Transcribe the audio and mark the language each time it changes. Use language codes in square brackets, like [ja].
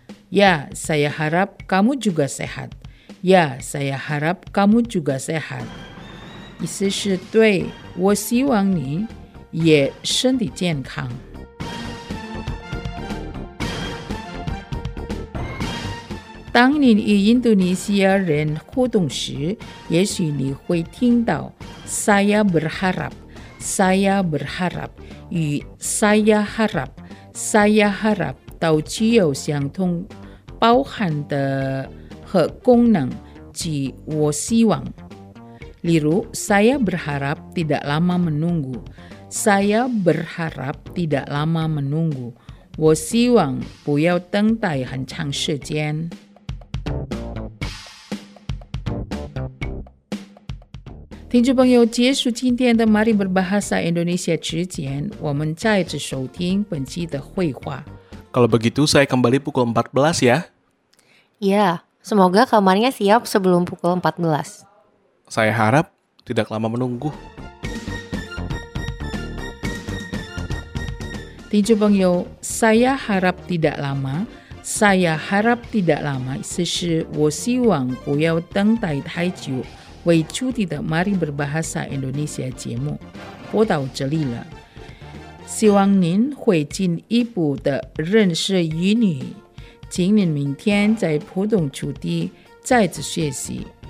[id] Ya, saya harap kamu juga sehat. Ya, saya harap kamu juga sehat. [zh] 意思是对，我希望你也身体健康。当你与印度尼西亚人互动时，也许你会听到 [id] saya berharap。 Saya berharap [zh] 与 [id] saya harap [zh] 都具有相同包含的和功能及我希望。例如 [id] saya berharap tidak lama menunggu， saya berharap tidak lama menunggu， [zh] 我希望不要等待很长时间。听众朋友，结束今天的 Mari Berbahasa Indonesia 之前，我们再次收听本期的会话。 [id] Kalau begitu, saya kembali pukul 14 ya. Ya, semoga kamarnya siap sebelum pukul 14. Saya harap tidak lama menunggu. [zh] 听众朋友， [id] saya harap tidak lama. Saya harap tidak lama. [zh] 意思我希望不要等待太久。为出题的 Mari Berbahasa Indonesia 节目播到这里了，希望您会进一步的认识语语，请您明天在普通主题再次学习。